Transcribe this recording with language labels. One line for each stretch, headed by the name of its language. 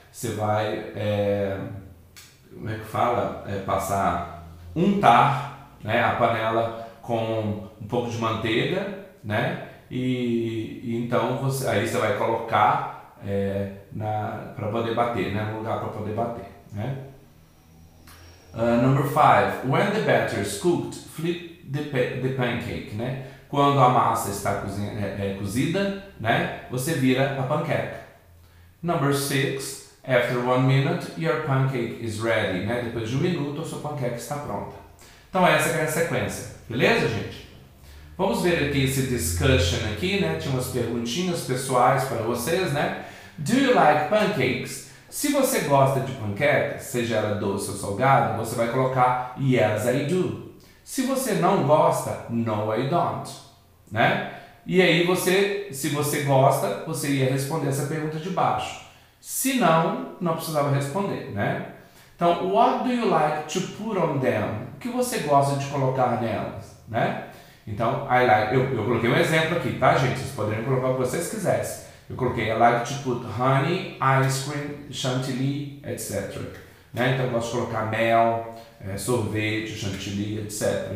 Portuguese: Você vai, como é que fala? Passar, untar, né, a panela com um pouco de manteiga, né? E então você, aí você vai colocar para poder bater, né? No lugar para poder bater, né?
English: Number five, when the batter is cooked, flip the pancake, né?
Portuguese: Quando a massa está cozida, né? Você vira a panqueca.
English: Number six, after 1 minute, your pancake is ready, né?
Portuguese: Depois de 1 minuto, a sua panqueca está pronta. Então essa é a sequência. Beleza, gente? Vamos ver aqui esse discussion aqui, né? Tinha umas perguntinhas pessoais para vocês, né?
English: Do you like pancakes?
Portuguese: Se você gosta de panqueca, seja ela doce ou salgada, você vai colocar
English: yes, I do.
Portuguese: Se você não gosta,
English: no, I don't.
Portuguese: Né? E aí você, se você gosta, você ia responder essa pergunta de baixo. Se não, não precisava responder, né?
English: Então, what do you like to put on them?
Portuguese: O que você gosta de colocar nelas, né? Então,
English: I like,
Portuguese: eu coloquei um exemplo aqui, tá, gente? Vocês poderiam colocar o que vocês quisessem. Eu coloquei,
English: I like to put honey, ice cream, chantilly, etc.
Portuguese: Né? Então, eu gosto de colocar mel, sorvete, chantilly, etc.